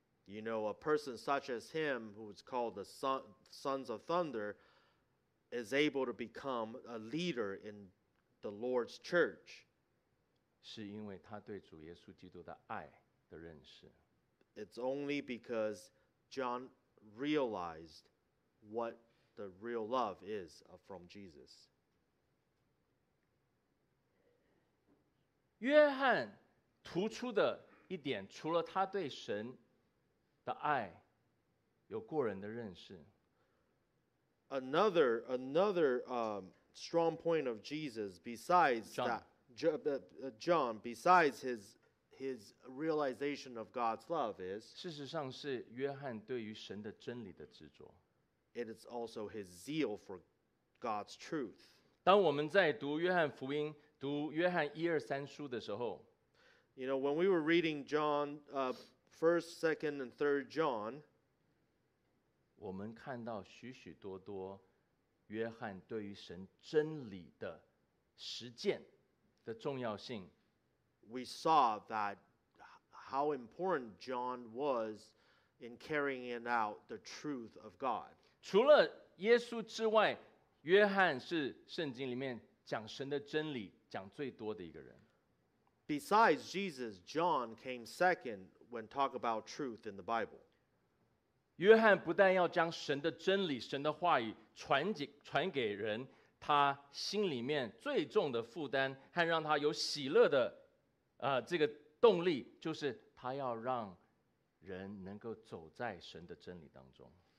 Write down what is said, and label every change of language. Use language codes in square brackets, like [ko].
[en] You know, a person such as him, who is called the sons of thunder, is able to become a leader in the Lord's church. [zh] 是因为他对主耶稣基督的爱的认识。 [en] It's only because John realized what the real love is from Jesus. [zh] 约翰突出的一点，除了他对神的爱有过人的认识。 [en] Another strong point of Jesus besides John, besides his realization of God's love is [zh] 事实上是约翰对于神的真理的执着。 [en] It is also his zeal for God's truth. [zh] 当我们在读约翰福音，读约翰一二三书的时候， [en] You know, when we were reading John, 1st, 2nd, and 3rd John, [zh] 我们看到许许多多约翰对于神真理的实践的重要性。 [en] We saw that how important John was in carrying out the truth of God. [zh] 除了耶稣之外，约翰是圣经里面讲神的真理讲最多的一个人。 [en] Besides Jesus, John came second when talk about truth in the Bible. [zh] 约翰不但要将神的真理、神的话语传给人，他心里面最重的负担和让他有喜乐的这个动力，就是他要让人能够走在神的真理当中。